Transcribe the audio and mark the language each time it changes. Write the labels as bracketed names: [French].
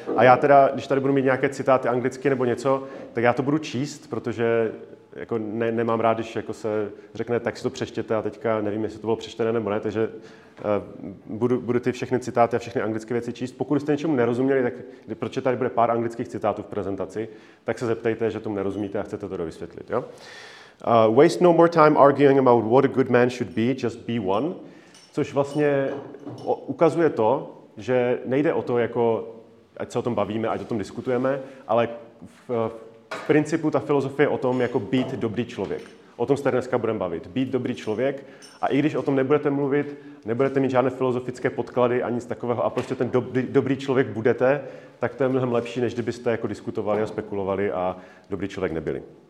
[Czech] A já teda, když tady budu mít nějaké citáty anglicky nebo něco, tak já to budu číst, protože jako nemám rád, když jako se řekne, tak si to přečtěte a teďka nevím, jestli to bylo přečtené nebo ne, takže budu ty všechny citáty a všechny anglické věci číst. Pokud jste něčemu nerozuměli, tak protože tady bude pár anglických citátů v prezentaci, tak se zeptejte, že tomu nerozumíte a chcete to dovysvětlit. Jo? [English] Waste no more time arguing about what a good man should be, just be one. [Czech] Což vlastně ukazuje to, že nejde o to, jako, ať se o tom bavíme, ať o tom diskutujeme, ale v principu ta filozofie je o tom, jako být dobrý člověk. O tom se dneska budeme bavit. Být dobrý člověk. A i když o tom nebudete mluvit, nebudete mít žádné filozofické podklady ani nic takového a prostě ten dobrý člověk budete, tak to je mnohem lepší, než kdybyste jako diskutovali a spekulovali a dobrý člověk nebyli.